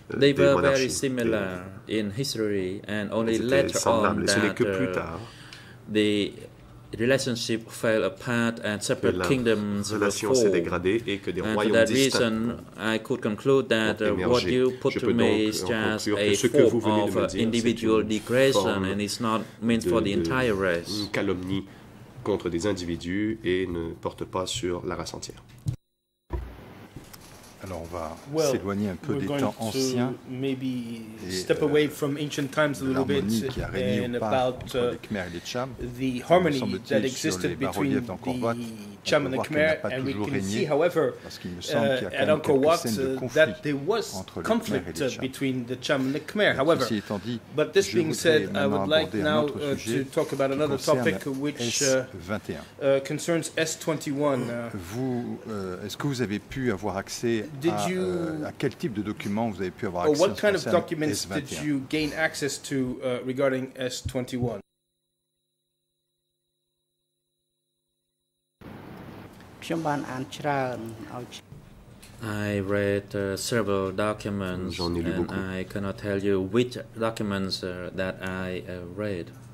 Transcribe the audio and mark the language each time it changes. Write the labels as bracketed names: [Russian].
[English] they were very similar in history, and only later on that the relationship fell apart and separate kingdoms were formed. And for that reason, I could conclude that what you put to me is just a form of individual degradation, and it's not meant for the entire race. [French] Contre des individus et ne porte pas sur la race entière. Alors on va s'éloigner un peu des temps anciens. [English] Maybe step away from ancient times a little bit and about the harmony that existed between the Cham and the Khmer, and we can see, however, at Angkor Wat that there was conflict between the Cham and the Khmer. However, but this being said, I would like now to talk about another topic which concerns S21. [French] Est-ce que vous avez pu avoir accès à quel type de documents vous avez pu avoir accès? [English] What kind of documents did you gain access to regarding S21? I read several documents, and I cannot tell you which documents that I read.